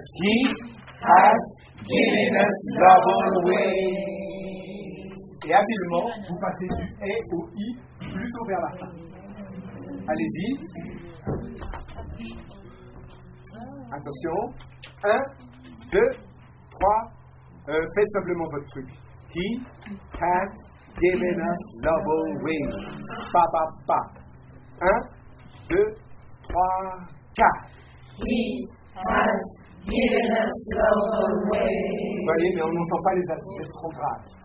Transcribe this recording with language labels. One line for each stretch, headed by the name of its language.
English: He has given us double ways.
French: Et habilement, vous passez du E au I plutôt vers la fin. Allez-y. Attention. Un, deux, trois. Faites simplement votre truc.
English: He has given us double ways. Pa, pa, pa. 1, 2, 3, 4. He has given us double ways.
French: Vous voyez, mais on n'entend pas les accents, c'est trop grave.